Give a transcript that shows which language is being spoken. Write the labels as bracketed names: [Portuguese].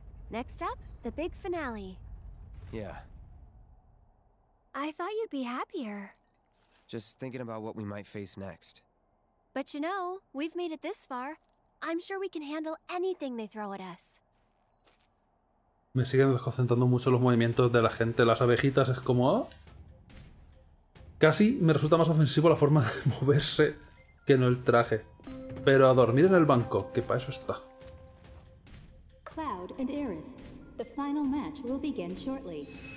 [English] Next up, the big finale. Yeah. I thought you'd be happier. Just thinking about what we might face next. But you know, we've made it this far. I'm sure we can handle anything they throw at us. [Spanish] Me siguen desconcentrando mucho los movimientos de la gente, las abejitas, es como... ¿oh? Casi me resulta más ofensivo la forma de moverse que no el traje. pero a dormir en el banco, que para eso está. [English] Cloud and Aerith, the final match will begin shortly.